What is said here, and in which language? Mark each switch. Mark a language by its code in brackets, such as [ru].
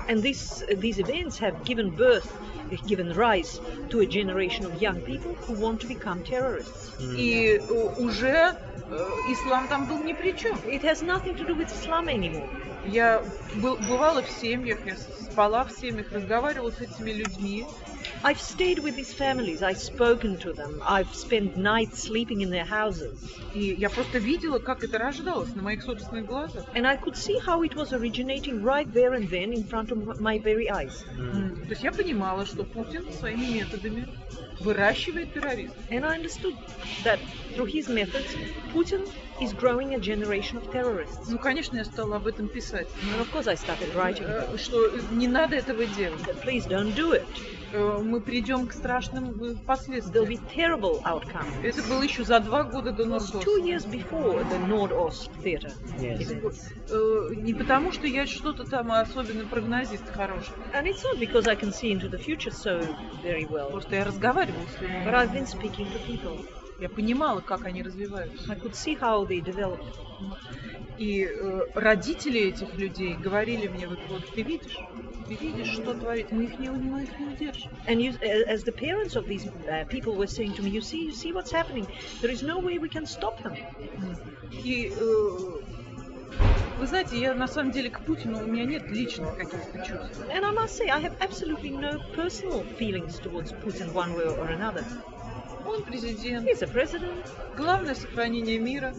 [en] And these events have given birth, given rise to a generation of young people who want to become terrorists. [ru] И уже ислам там был ни при чем. [en] It has nothing to do with Islam anymore. [ru] Я бывала в семьях, я спала в семьях, разговаривала с этими людьми. [en] I've stayed with these families, I've spoken to them, I've spent nights sleeping in their houses. [ru] И я просто видела, как это рождалось на моих собственных глазах. [en] And I could see how it was originating right there and then in front of my very eyes. [ru] То есть я понимала, что Путин своими методами выращивает террористов. [en] And I understood that through his methods, Putin is growing a generation of terrorists. [ru] Ну, конечно, я стала об этом писать. [en] And of course I started writing. [ru] Что не надо этого делать. [en] That please don't do it. [ru] Мы придем к страшным последствиям. [en] There'll be terrible outcomes. [ru] Это было еще за два года до Nord-Ost. [en] Two years before the Nord-Ost theater. Yes. [ru] Не потому, что я что-то там особенно прогнозист хороший. [en] And it's not because I can see into the future so very well. [ru] Просто я разговаривала с людьми. [en] But I've been speaking to people. [ru] Я понимала, как они развиваются. [en] I could see how they develop. [ru] И родители этих людей говорили мне: вот ты видишь, что творит, мы их не удержим. [en] And you, as the parents of these people were saying to me, you see what's happening. There is no way we can stop them. [ru] И вы знаете, я на самом деле к Путину, у меня нет личных каких-то чувств. [en] And I must say, I have absolutely no personal feelings towards Putin one way or another. [ru] Он президент. [en] He's a president. [ru] Главное — сохранение мира.